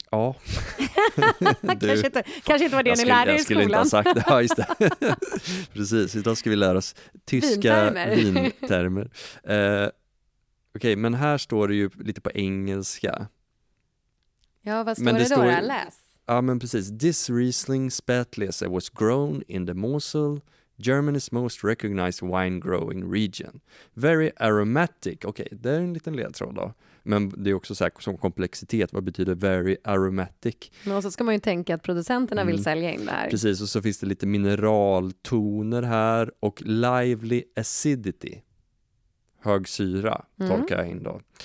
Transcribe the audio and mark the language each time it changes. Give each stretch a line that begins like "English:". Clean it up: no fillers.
Swedish: Ja. kanske inte var det ni lärde i skolan. Jag skulle inte ha sagt det. Ja, just det. Precis, idag ska vi lära oss tyska vintermer. Okej, men här står det ju lite på engelska. Ja, vad står det då? Jag läs. Ja, men precis.
English: This Riesling spätläse was grown in the Mosel, Germany's most recognized wine growing region. Very aromatic.
Swedish: Okej, det är en liten ledtråd då. Men det är också så här, som komplexitet. Vad betyder
English: very aromatic?
Swedish: Och så ska man ju tänka att producenterna vill sälja in det här. Precis, och så finns det lite mineraltoner här. Och
English: lively acidity.
Swedish: Hög syra, tolkar jag in då.